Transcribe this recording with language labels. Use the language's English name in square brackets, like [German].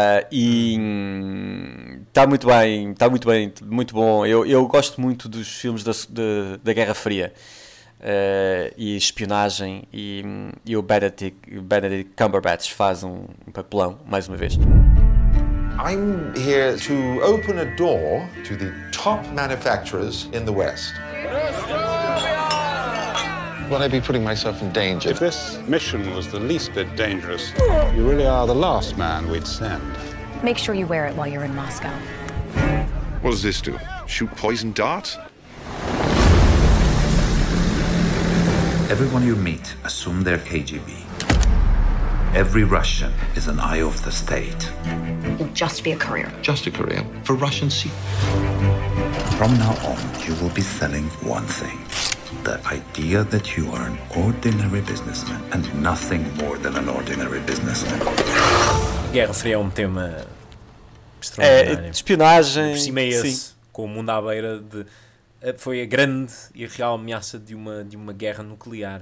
[Portuguese] E está muito bem, muito bom. Eu gosto muito dos filmes da Guerra Fria, e espionagem, e o Benedict Cumberbatch faz um papelão mais uma vez. [English] I'm here to open a door to the top manufacturers in the West. Would I be putting myself in danger? If this mission was the least bit dangerous, you really are the last man we'd send. Make sure you wear it while you're in Moscow. What does this do? Shoot poison darts? Everyone you meet assume they're KGB. Every Russian is an eye of the state. You'll just be a courier. Just a courier? For Russian secrets? From now on, you will be selling one thing. The idea that you are an ordinary businessman and nothing more than an ordinary businessman. [Portuguese] Guerra Fria é um tema extraordinário. Espionagem. Por cima é esse, com o mundo à beira de... foi a grande e real ameaça de uma guerra nuclear.